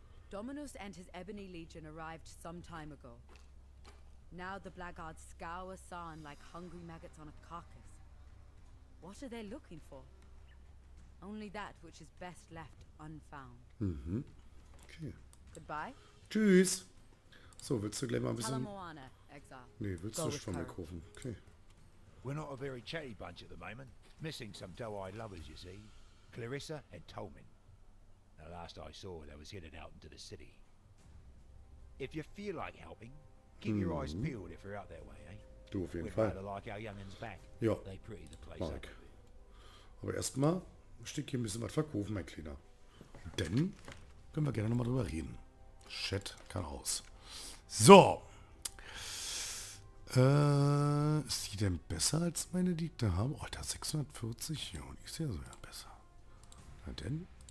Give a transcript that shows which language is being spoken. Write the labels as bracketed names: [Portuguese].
[English] Dominus and his Ebony Legion arrived some time ago. Now the Blackguards scour Sarn like hungry maggots on a carcass. What are they looking for? Only that which is best left unfound. Mhm. Okay. Goodbye. [German] Tschüss. So, willst du gleich mal ein bisschen... Nee, willst du schon mal kaufen? Okay. [English] We're not a very chatty bunch at the moment. Missing some doe-eyed lovers, you see. Clarissa and Tolmin. The last I saw, they was headed out into the city. If you feel like helping, keep your eyes peeled if you're out that way, eh? [German] Du, auf jeden Fall. [English] We'd rather like our young'uns back. [German] Ja. [English] They pretty the place up. [German] Aber erstmal möchte ich hier ein bisschen was verkaufen, mein Kleiner. Denn können wir gerne nochmal drüber reden. Chat kann aus. So. Ist die denn besser als meine, die ich da habe? Oh, da 640. Ja, und ich sehe so ja besser. Na denn?